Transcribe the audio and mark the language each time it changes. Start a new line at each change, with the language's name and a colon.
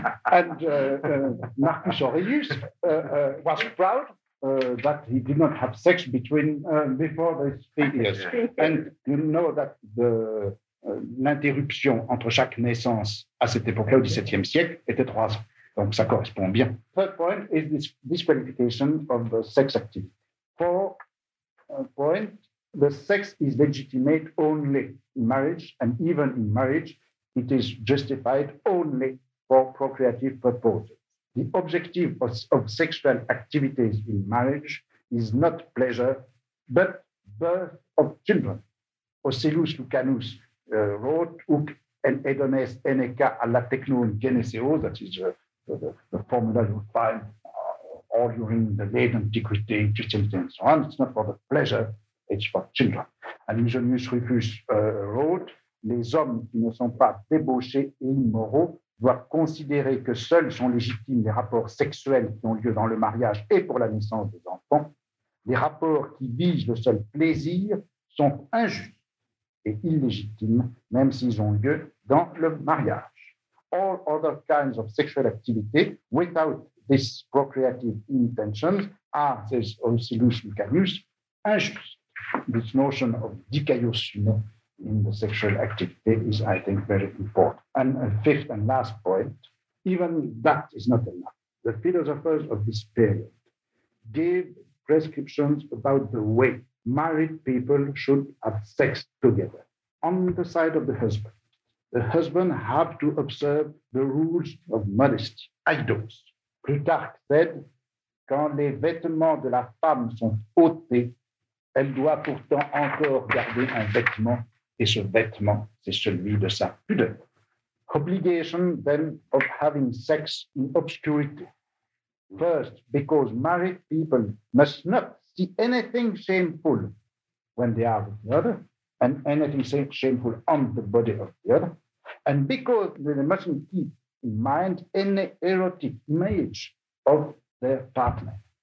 English: And Marcus Aurelius was proud that he did not have sex between before the 3 years. And you know that
French: l'interruption entre chaque naissance à cette époque au XVIIe siècle était 3 ans. Donc ça correspond bien.
English: Third point is this disqualification of the sex activity. Fourth point, the sex is legitimate only in marriage, and even in marriage, it is justified only for procreative purposes. The objective of sexual activities in marriage is not pleasure, but birth of children. Ocellus Lucanus wrote,
Greek: "Uc en edones eneca alla technon geneseo,"
English: that is the formula you find all during the late antiquity, Christianity, and so on. It's not for the pleasure, it's for children. And Musonius Rufus wrote,
French: "Les hommes qui ne sont pas débauchés et immoraux doivent considérer que seuls sont légitimes les rapports sexuels qui ont lieu dans le mariage et pour la naissance des enfants. Les rapports qui visent le seul plaisir sont injustes et illégitimes, même s'ils ont lieu dans le mariage.
English: All other kinds of sexual activity without this procreative intention are, says Ocellus Lucanus, injuste." This notion of dikaiosune in the sexual activity is, I think, very important. And a fifth and last point, even that is not enough. The philosophers of this period gave prescriptions about the way married people should have sex together. On the side of the husband have to observe the rules of modesty, eidos. Plutarch said,
French: "Quand les vêtements de la femme sont ôtés, elle doit pourtant encore garder un vêtement. Et ce vêtement, c'est celui de sa pudeur."
English: Obligation, then, of having sex in obscurity. First, because married people must not see anything shameful when they are with the other, and anything shameful on the body of the other. And because they mustn't keep in mind any erotic image of their partner.